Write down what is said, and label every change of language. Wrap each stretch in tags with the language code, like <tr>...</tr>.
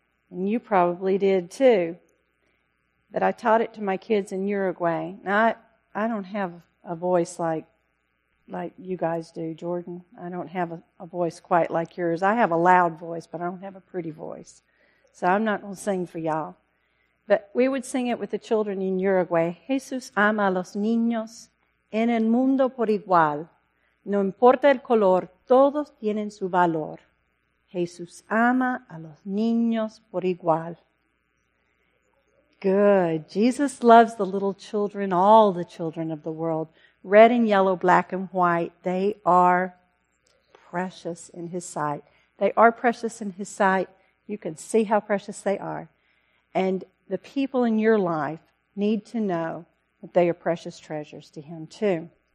<en>And you probably did too. But I taught it to my kids in Uruguay. Now, I don't have a voice like you guys do, Jordan. I don't have a voice quite like yours. I have a loud voice, but I don't have a pretty voice. So I'm not going to sing for y'all. But we would sing it with the children in Uruguay.</en> <es>Jesús ama a los niños en el mundo por igual. No importa el color, todos tienen su valor. Jesús ama a los niños por igual.</es> <en>Good. Jesus loves the little children, all the children of the world. Red and yellow, black and white, they are precious in His sight. They are precious in His sight. You can see how precious they are. And the people in your life need to know that they are precious treasures to Him too.</en>